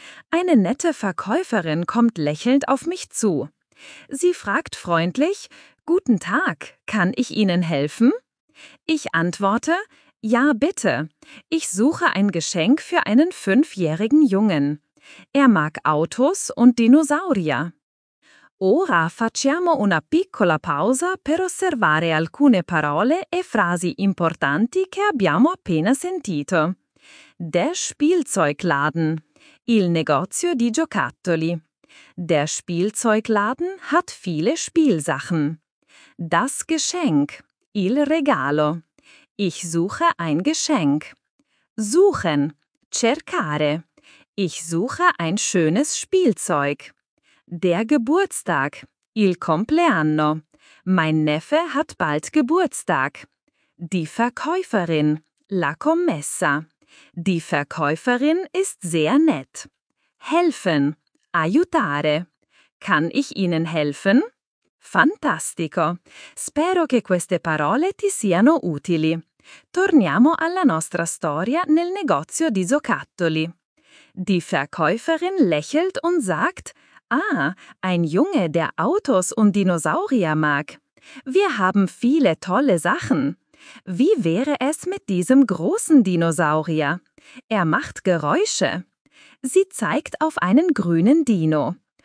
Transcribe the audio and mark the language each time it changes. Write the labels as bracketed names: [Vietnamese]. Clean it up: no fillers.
[German] Eine nette Verkäuferin kommt lächelnd auf mich zu. Sie fragt freundlich, »Guten Tag, kann ich Ihnen helfen?« Ich antworte, »Ja, bitte. Ich suche ein Geschenk für einen 5-jährigen Jungen. Er mag Autos und Dinosaurier.« [Italian] Ora facciamo una piccola pausa per osservare alcune parole e frasi importanti che abbiamo appena sentito. [German] Der Spielzeugladen. [Italian] Il negozio di giocattoli. [German] Der Spielzeugladen hat viele Spielsachen. Das Geschenk. [Italian] Il regalo. [German] Ich suche ein Geschenk. Suchen. Cercare. Ich suche ein schönes Spielzeug. Der Geburtstag. [Italian] Il compleanno. [German] Mein Neffe hat bald Geburtstag. Die Verkäuferin. [Italian] La commessa. [German] Die Verkäuferin ist sehr nett. Helfen. Aiutare. Kann ich Ihnen helfen? [Italian] Fantastico. Spero che queste parole ti siano utili. Torniamo alla nostra storia nel negozio di giocattoli. [German] Die Verkäuferin lächelt und sagt, Ah, ein Junge, der Autos und Dinosaurier mag. Wir haben viele tolle Sachen. Wie wäre es mit diesem großen Dinosaurier? Er macht Geräusche. Sie zeigt auf einen grünen Dino.